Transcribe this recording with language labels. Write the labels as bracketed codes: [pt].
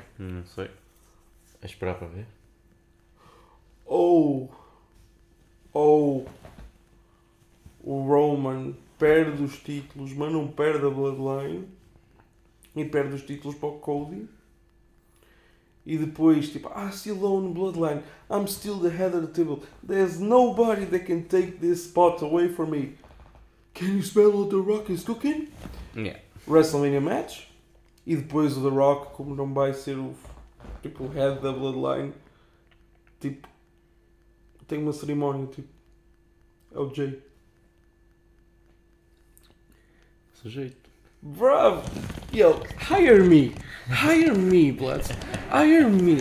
[pt] Não sei. É esperar para ver. Ou o Roman perde os títulos, mas não perde a Bloodline. E perde os títulos para o Cody. E depois, tipo, [en] I'm still on Bloodline. I'm still the head of the table. There's nobody that can take this spot away from me. Can you smell what The Rock is cooking? Yeah. WrestleMania match. [pt] E depois o The Rock, como não vai ser o head da Bloodline, tipo, tem uma cerimónia, tipo, é o Jay. Sujeito. [en] Bro, yo, hire me. Hire me, Blood. Hire me.